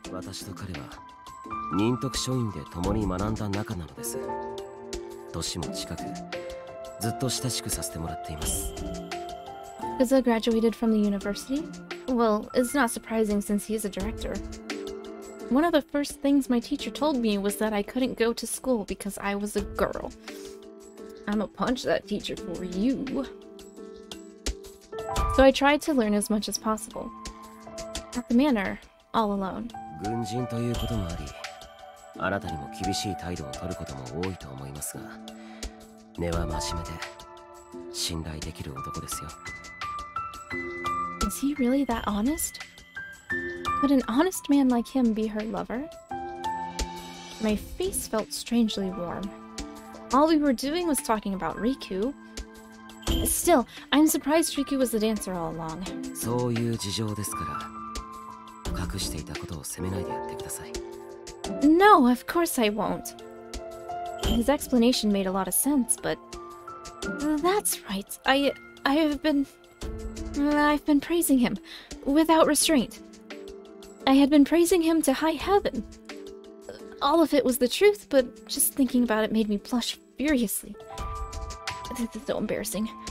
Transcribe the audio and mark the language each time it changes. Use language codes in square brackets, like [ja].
[ja] 私と彼は忍徳書院で共に学んだ仲なのです。年も近く、ずっと親しくさせてもらっています。 [en] Is he graduated from the university? Well, it's not surprising since he's a director. One of the first things my teacher told me was that I couldn't go to school because I was a girl. I'ma punch that teacher for you. So I tried to learn as much as possible. At the manor, all alone. [ja] 軍人ということもあり、あなたにも厳しい態度を取ることも多いと思いますが、根は真面目で信頼できる男ですよ。 [en] Is he really that honest? Could an honest man like him be her lover? My face felt strangely warm. All we were doing was talking about Riku. Still, I'm surprised Riku was the dancer all along. [ja] そういう事情ですから、隠していたことを責めないでやってください。 [en] No, of course I won't. His explanation made a lot of sense, but... That's right, I've been praising him, without restraint. I had been praising him to high heaven. All of it was the truth, but just thinking about it made me blush furiously. This is so embarrassing.